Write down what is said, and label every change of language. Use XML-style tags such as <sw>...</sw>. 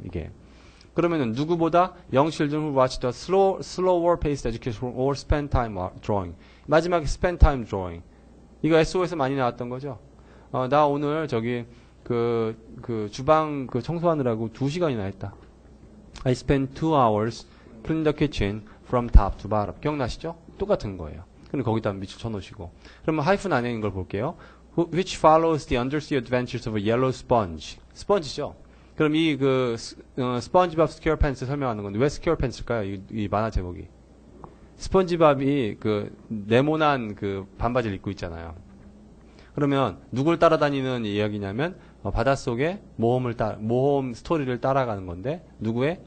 <ko>이게. 그러면은, 누구보다</ko> <en>young children who watched a slower paced education or spend time drawing.</en> <ko>마지막에 spend time drawing. 이거 SOS 많이 나왔던 거죠. 나 오늘 저기, 주방 그 청소하느라고 2시간이나 했다.</ko> <en>I spent 2 hours clean the kitchen from top to bottom.</en> <ko>기억나시죠? 똑같은 거예요. 그럼 거기다 밑줄 쳐놓으시고. 그러면 하이픈 안에 있는 걸 볼게요.</ko> <en>Which follows the undersea adventures of a yellow sponge.</en> <ko>스펀지죠. 그럼 이 스펀지밥 스퀘어팬츠 설명하는 건데 왜 스퀘어팬츠일까요? 이 만화 제목이. 스펀지밥이 그 네모난 그 반바지를 입고 있잖아요. 그러면 누굴 따라다니는 이야기냐면 바닷속에 모험 스토리를 따라가는 건데 누구의?</ko>